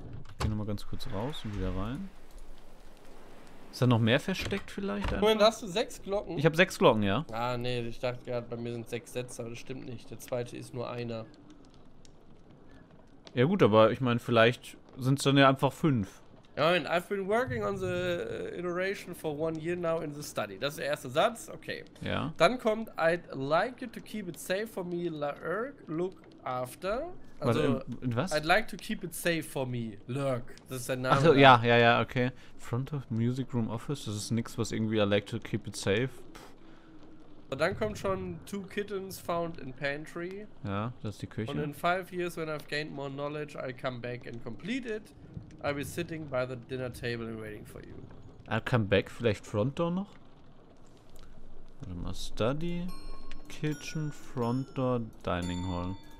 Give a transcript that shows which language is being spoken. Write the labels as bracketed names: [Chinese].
[German] Ich geh nochmal ganz kurz raus und wieder rein. Ist da noch mehr versteckt vielleicht? Moment, hast du 6 Glocken? Ich habe 6 Glocken, ja. Ah, nee, ich dachte gerade, bei mir sind 6 Sätze, aber das stimmt nicht. Der zweite ist nur einer. Ja gut, aber ich meine, vielleicht sind es dann ja einfach 5. Ja, Moment, [English] I've been working on the iteration for 1 year now in the study. [German] Das ist der erste Satz, okay. Ja. Dann kommt, [English] I'd like you to keep it safe for me, Lurk, look after. [German] Also, was? [English] I'd like to keep it safe for me, Lurk. [German] Das ist der Name. Ach, ja, ja, ja, okay. Front of Music Room Office, das ist nichts, was irgendwie [English] I'd like to keep it safe. [German] Und dann kommt schon 2 [English] kittens found in pantry. [German] Ja, das ist die Küche. Und [English] in 5 years, when I've gained more knowledge, I'll come back and complete it. I'll be sitting by the dinner table and waiting for you. I'll come back, [German] vielleicht Front Door noch? Warte mal, Study, Kitchen, Front Door, Dining Hall.